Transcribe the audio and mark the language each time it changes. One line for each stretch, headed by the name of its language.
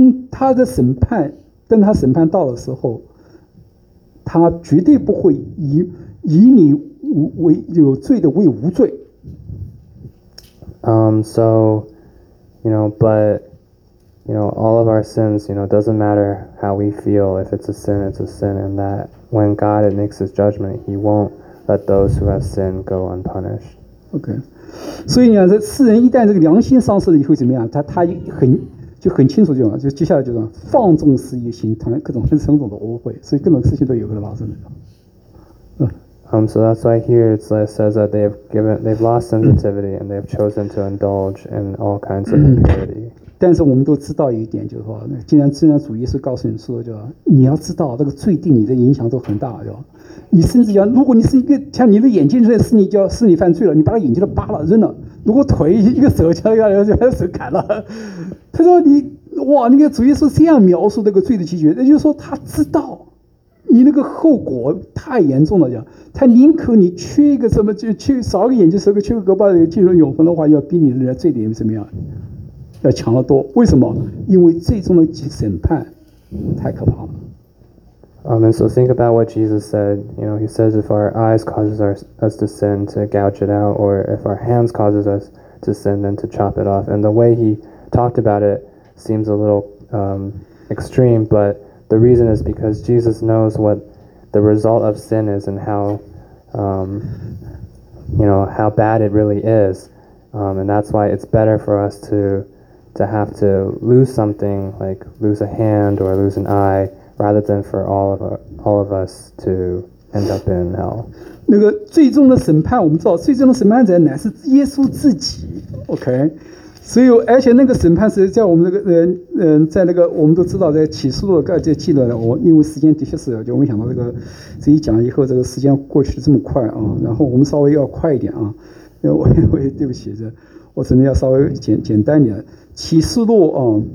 Chinese: 他的审判，等他审判到的时候，他绝对不会以你为有罪的为无罪。
English: So, you know, but, you know, all of our sins, you know, doesn't matter how we feel. If it's a sin, it's a sin, and that when God makes His judgment, He won't let those who have sinned go unpunished. Okay.
Chinese: 所以呢，这世人一旦这个良心丧失了以后，怎么样？他很。就很清楚就嘛，就接下来就是放纵肆意，形成各种很多的污秽，所以各种事情都有可能发生的。
English: So that's why here it says that they've lost sensitivity and they've chosen to indulge in all kinds of impurity.
Chinese: 但是我们都知道一点，就是说，既然主耶稣告诉你说，就你要知道这个罪对你的影响都很大，就你甚至要，如果你是一个像你的眼睛这件事，你就要是你犯罪了，你把他眼睛都扒了扔了。如果腿一个手就要把手砍了，他说你哇，那个主耶稣这样描述那个罪的结局，那就是说他知道你那个后果太严重了，讲他宁可你缺一个什么，就缺少个眼睛，少个缺个胳膊，进入永恒的话，要比你的罪点怎么样要强得多。为什么？因为最终的审判太可怕了。
English: And so think about what Jesus said. You know, he says if our eyes causes us to sin, to gouge it out, or if our hands causes us to sin, then to chop it off. And the way he talked about it seems a little extreme, but the reason is because Jesus knows what the result of sin is and how, you know, how bad it really is. And that's why it's better for us to have to lose something, like lose a hand or lose an eye,rather than for all of us to end up in hell.
Chinese: 那个最终的审判，我们知道最终的审判者乃是耶稣自己。 OK， 所以而且那个审判是在我们在那个我们都知道在启示录这记录的。我因为时间的确是，就我们想到这个这一讲以后，这个时间过去这么快啊，然后我们稍微要快一点啊，因为对不起，这我真的要稍微简单点启示录啊。